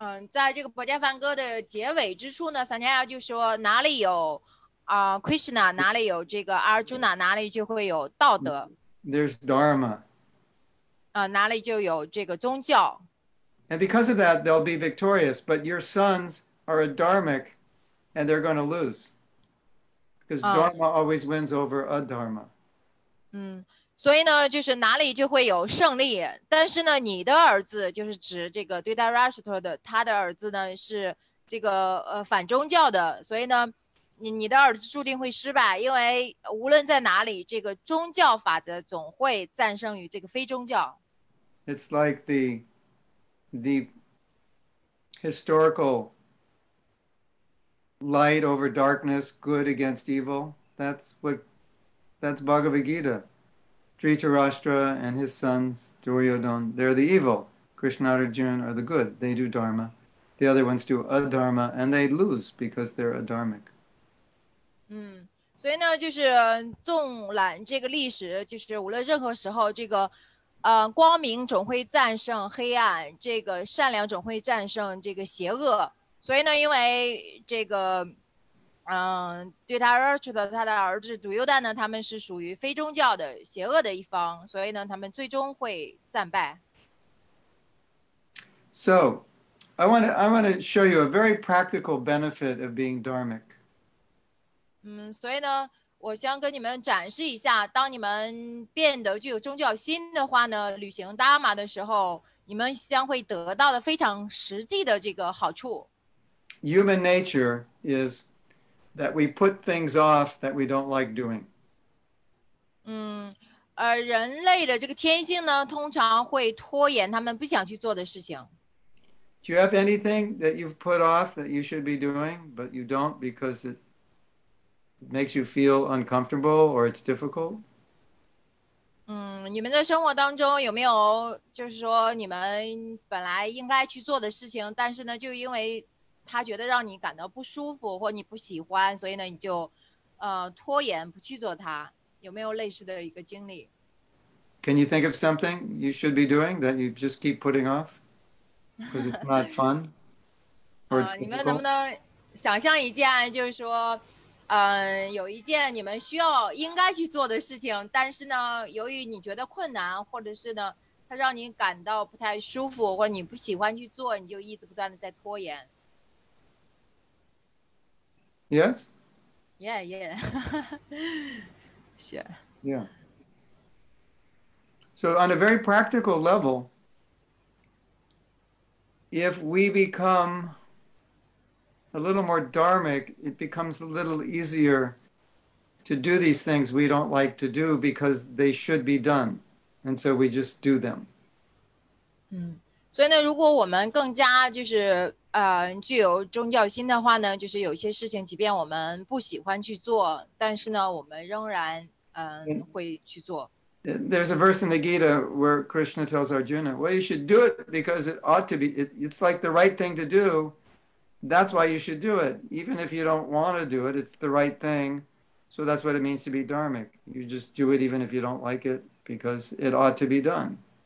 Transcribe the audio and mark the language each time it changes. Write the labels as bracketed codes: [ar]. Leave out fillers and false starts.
[zh] 在这个《宝剑梵歌》的结尾之处呢，Sanjay就说，哪里有Krishna, 哪里有这个Arjuna, 哪里就会有道德。 [en] There's Dharma. [zh] 哪里就有这个宗教。 [en] And because of that, they'll be victorious, but your sons are a dharmic, and they're going to lose. Because Dharma always wins over a Dharma. [zh] 所以呢，就是哪里就会有胜利。但是呢，你的儿子就是指这个对待 Rashtra 的，他的儿子呢是这个反宗教的。所以呢，你的儿子注定会失败，因为无论在哪里，这个宗教法则总会战胜于这个非宗教。 [en] It's like the historical light over darkness, good against evil. That's Bhagavad Gita. Dhritarashtra and his sons, Duryodhan, they're the evil. Krishna and Arjuna are the good. They do dharma. The other ones do adharma, and they lose because they're adharmic. [zh] 所以呢，就是纵览这个历史，就是无论任何时候，这个光明总会战胜黑暗，这个善良总会战胜这个邪恶。所以呢，因为这个。对他儿子的他的儿子独优蛋呢，他们是属于非宗教的邪恶的一方，所以呢，他们最终会战败。 [en] So, I want to show you a very practical benefit of being dharmic. [zh] 所以呢，我想跟你们展示一下，当你们变得具有宗教心的话呢，旅行达玛的时候，你们将会得到的非常实际的这个好处。 [en] Human nature is. That we put things off that we don't like doing. [zh] 人类的这个天性呢，通常会拖延他们不想去做的事情。 [en] Do you have anything that you've put off that you should be doing, but you don't because it makes you feel uncomfortable or it's difficult? [zh] 你们在生活当中有没有就是说你们本来应该去做的事情，但是呢，就因为他觉得让你感到不舒服或你不喜欢，所以呢，你就拖延不去做它，有没有类似的一个经历？ [en] Can you think of something you should be doing that you just keep putting off because it's not fun or it's difficult? [zh] 你们能不能想象一件就是说 有一件你们需要应该去做的事情，但是呢，由于你觉得困难，或者是呢，它让你感到不太舒服，或者你不喜欢去做，你就一直不断的在拖延。 [en] Yes. Yeah, yeah. Sure. Yeah. So on a very practical level, if we become a little more dharmic, it becomes a little easier to do these things we don't like to do because they should be done. And so we just do them. [zh] 所以呢，如果我们更加就是具有宗教心的话呢，就是有些事情即便我们不喜欢去做，但是呢，我们仍然会去做。 [en] There's a verse in the Gita where Krishna tells Arjuna, well, you should do it because it ought to be, it's like the right thing to do. That's why you should do it. Even if you don't want to do it, it's the right thing. So that's what it means to be dharmic. You just do it even if you don't like it because it ought to be done.